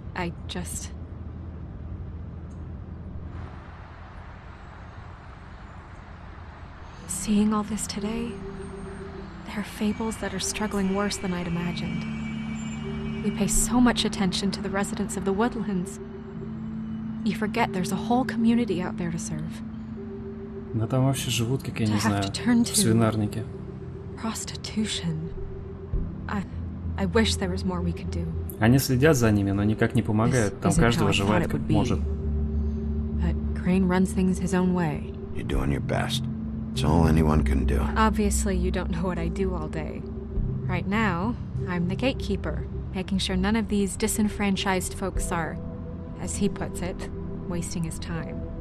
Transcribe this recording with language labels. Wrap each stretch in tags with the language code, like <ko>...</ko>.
<en>I just seeing all this today, there are fables that are struggling worse than I'd imagined. We pay so much attention to the residents of the woodlands. You forget there's a whole community out there to serve.</en> <ru>Да там вообще живут, как я не знаю, свинарники.</ru> <en>Prostitution. I wish there was more we could do.</en> <ru>Они следят за ними, но никак не помогают. Там каждый выживает как может.</ru> <en>But Crane runs things his own way. You're doing your best. It's all anyone can do. Obviously, you don't know what I do all day. Right now, I'm the gatekeeper, making sure none of these disenfranchised folks are, as he puts it, wasting his time.</en>